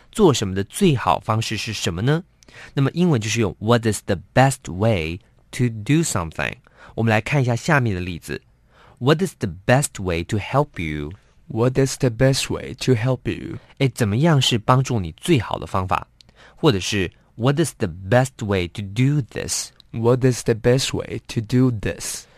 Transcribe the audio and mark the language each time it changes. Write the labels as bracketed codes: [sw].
[zh] 做什么的最好方式是什么呢？那么英文就是用 [en] What is the best way to do something? [zh] 我们来看一下下面的例子。 [en] What is the best way to help you? What is the best way to help you? [zh] 哎，怎么样是帮助你最好的方法？或者是 [en] What is the best way to do this? What is the best way to do this?